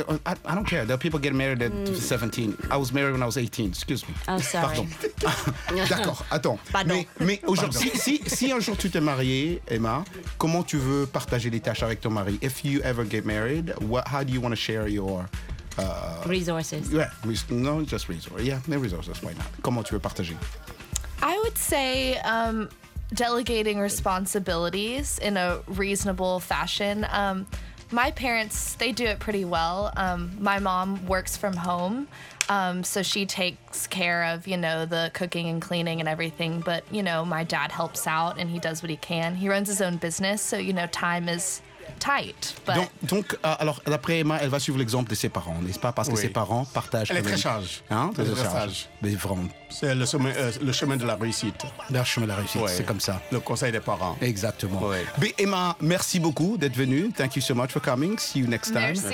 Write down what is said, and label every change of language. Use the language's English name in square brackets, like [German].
[English] I don't care. There are people get married at 17. I was married when I was 18. Excuse me. Oh, sorry. [French] Pardon. D'accord. Attends. Pardon. Mais aujourd'hui, si un jour tu t'es mariée, Emma, comment tu veux partager les tâches avec ton mari? [English] If you ever get married, how do you want to share your... resources. Yeah, not just resources. Yeah, no resources. Why not? [French] Comment tu veux partager? [English] I would say delegating responsibilities in a reasonable fashion. My parents, they do it pretty well. My mom works from home, so she takes care of, you know, the cooking and cleaning and everything. But, you know, my dad helps out and he does what he can. He runs his own business, so, you know, time is tight. But... [French] Donc, alors, d'après Emma, elle va suivre l'exemple de ses parents, n'est-ce pas? Parce que ses parents partagent... Elle est très sage. Hein? Très sage. Mais vraiment. C'est le chemin de la réussite. Le chemin de la réussite, c'est comme ça. Le conseil des parents. Exactement. Mais Emma, merci beaucoup d'être venue. [English] Thank you so much for coming. See you next time.